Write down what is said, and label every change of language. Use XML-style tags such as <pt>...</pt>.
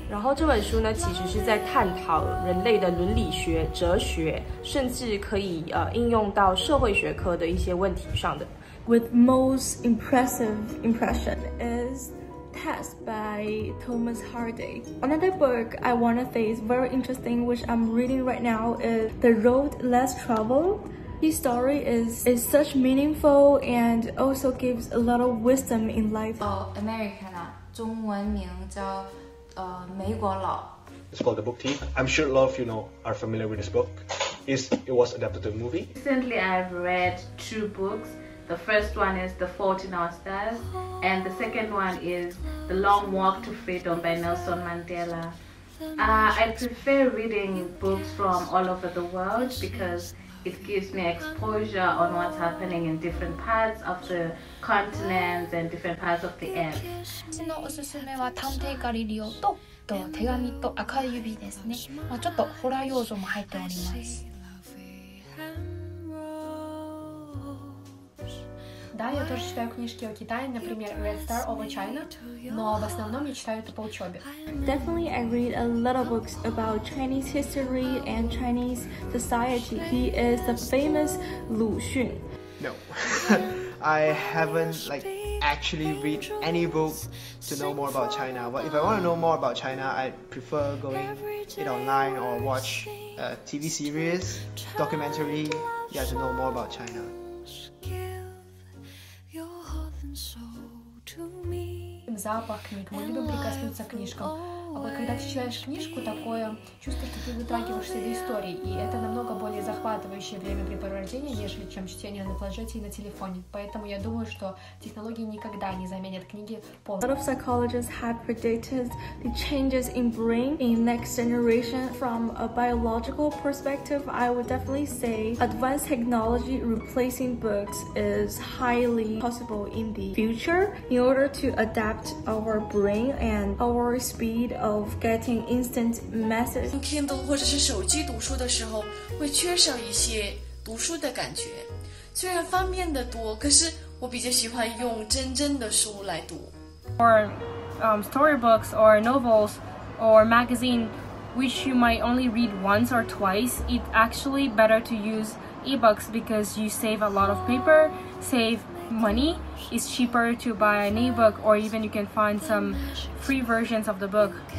<zh>然后这本书呢，其实是在探讨人类的伦理学、哲学，甚至可以应用到社会学科的一些问题上的。</zh> <en>With most impressive impression is Test by Thomas Hardy. Another book I want to say is very interesting, which I'm reading right now, is The Road Less Traveled. His story is such meaningful and also gives a lot of wisdom in life.</en> <zh>Americana, 中文名叫美国佬。</zh> <en>It's called The Book Thief. I'm sure a lot of you know are familiar with this book. It was adapted to a movie. Recently, I've read two books. The first one is The Fault in Our Stars, and the second one is The Long Walk to Freedom by Nelson Mandela. I prefer reading books from all over the world because. It gives me exposure on what's happening in different parts of the continents and different parts of the earth.</en> <ja>私のおすすめは探偵ガリリオと、と手紙と赤い指ですね。まあ、ちょっとホラー要素も入っております。</ja> <ru>Да, я тоже читаю книжки о Китае, например, Red Star over China, но в основном я читаю это по учебе.</ru> <en>Definitely, I read a lot of books about Chinese history and Chinese society. He is the famous Lu Xun. No, I haven't like actually read any book to know more about China. But if I want to know more about China, I prefer going it online or watch a TV series, documentary, yeah, to know more about China.</en> <ru>Запах книг, мы любим прикоснуться к книжкам. А вот когда ты читаешь книжку, такое чувство, что ты вытрагиваешься до истории. И это намного более захватывающее времяпрепровождение, нежели чем чтение на планшете и на телефоне. Поэтому я думаю, что технологии никогда не заменят книги полностью.</ru> <en>A lot of psychologists have predicted the changes in brain in next generation from a biological perspective. I would definitely say advanced technology replacing books is highly possible in the future in order to adapt our brain and our speed of getting instant message.</en> <zh>用 Kindle 或者是手机读书的时候，会缺少一些读书的感觉。虽然方便的多，可是我比较喜欢用真正的书来读。</zh> <en>Or storybooks or novels or magazine, which you might only read once or twice, it's actually better to use e-books because you save a lot of paper, save. Money is cheaper to buy an ebook, or even you can find some free versions of the book.</en>